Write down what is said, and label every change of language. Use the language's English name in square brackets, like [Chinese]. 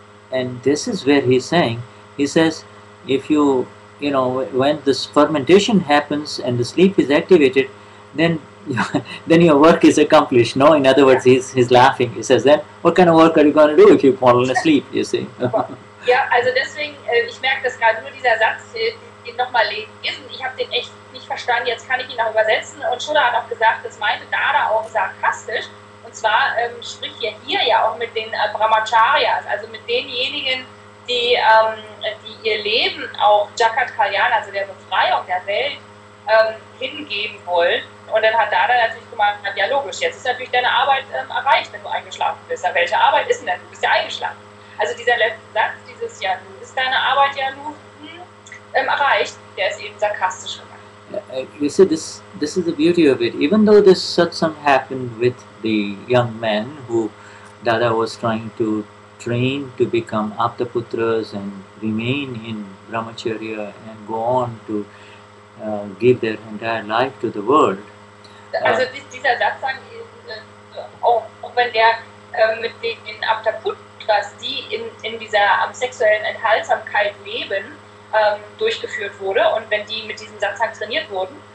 [English] And this is where he's saying, he says, if you, you know, when this fermentation happens and the sleep is activated, then your work is accomplished. No, in other words, he's laughing. He says, then what kind of work are you going to do if you fall asleep, you see? [German] Ja, also deswegen, ich merke das gerade, nur dieser Satz, den nochmal lesen, ich habe den echt nicht verstanden, jetzt kann ich ihn auch übersetzen. Und Shuddha hat auch gesagt, das meinte Dada auch sarkastisch. Und zwar spricht er hier ja auch mit den Brahmacharyas, also mit denjenigen, die, die ihr Leben auch Jagat Kalyan, also der Befreiung der Welt, hingeben wollen. Und dann hat Dada natürlich gemeint, ja logisch, jetzt ist natürlich deine Arbeit erreicht, wenn du eingeschlafen bist. Aber welche Arbeit ist denn? Du bist ja eingeschlafen. Also dieser letzte Satz, dieses ja, du bist deine Arbeit ja nur erreicht, der ist eben sarkastisch gemeint. [English] You see, this is the beauty of it. Even though this satsang happened with the young men who Dada was trying to train to become aptaputras and remain in Brahmacharya and go on to give their entire life to the world. [German] Also dieser Satsang, auch wenn der mit den Aptaputras, die in dieser sexuellen Enthaltsamkeit leben, durchgeführt wurde und wenn die mit diesem Satsang trainiert wurden.